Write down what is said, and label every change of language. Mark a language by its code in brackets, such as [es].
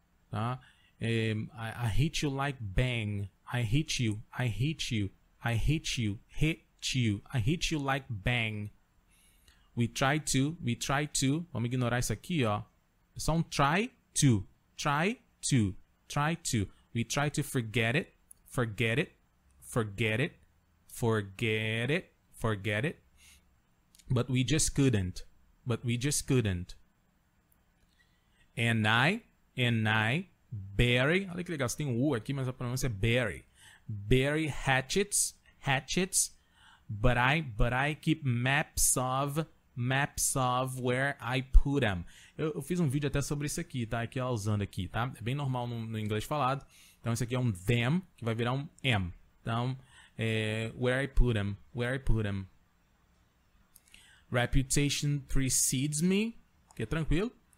[pt] Tá? [en] I hit you like bang. I hit you. I hit you. I hit you. Hit you. I hit you like bang. We try to. We try to. [pt] Vamos ignorar isso aqui, ó. É só um [en] try to. Try to. Try to. We try to forget it, forget it, forget it, forget it, forget it. But we just couldn't, but we just couldn't. And I, bury, [pt] olha que legal, você tem um U aqui, mas a pronúncia é bury. [en] Bury hatchets, hatchets, but I keep maps of where I put them. [pt] Eu fiz um vídeo até sobre isso aqui, tá? Aqui ela usando aqui, tá? É bem normal no inglês falado. Então, isso aqui é um them, que vai virar um am. Então, é, [en] where I put them, where I put them. Reputation precedes me, [pt] que é tranquilo.